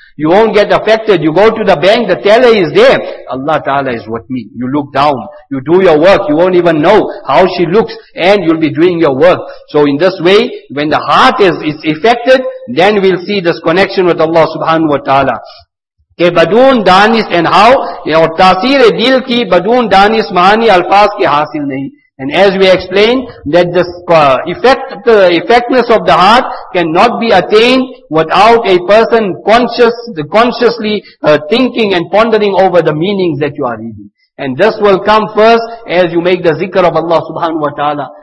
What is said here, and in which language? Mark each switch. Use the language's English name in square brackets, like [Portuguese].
[English] You won't get affected. You go to the bank, the teller is there. Allah ta'ala is with me. You look down. You do your work. You won't even know how she looks, and you'll be doing your work. So in this way, when the heart is affected, then we'll see this connection with Allah subhanahu wa ta'ala. [Urdu] کہ بدون دانش and how, اور تاثیر دل کی بدون دانش معانی الفاظ کے حاصل نہیں. [English] And as we explained, that the effectiveness of the heart cannot be attained without a person consciously thinking and pondering over the meanings that you are reading. And this will come first as you make the zikr of Allah subhanahu wa ta'ala.